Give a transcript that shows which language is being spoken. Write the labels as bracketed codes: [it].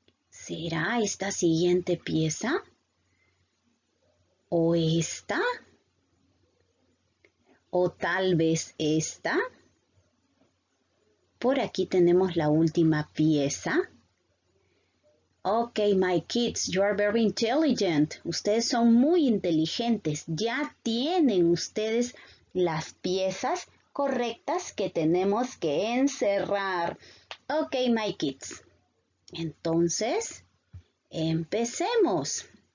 [es] ¿Será esta siguiente pieza? ¿O esta? ¿O tal vez esta? Por aquí tenemos la última pieza. [en] Ok, my kids, you are very intelligent. [es] Ustedes son muy inteligentes. Ya tienen ustedes las piezas correctas que tenemos que encerrar. [en] Ok, my kids. [es] Entonces, empecemos.